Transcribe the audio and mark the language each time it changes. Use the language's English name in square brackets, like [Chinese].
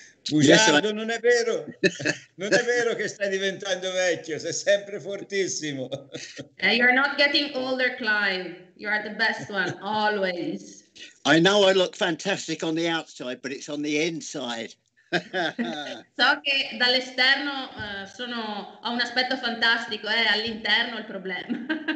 [Italian] Bugiardo, non è vero, non è vero che stai diventando vecchio, sei sempre fortissimo. [English] You're not getting older, Clive. You are the best one, always. I know I look fantastic on the outside, but it's on the inside. [Italian] So che dall'esterno sono ho un aspetto fantastico, all'interno il problema.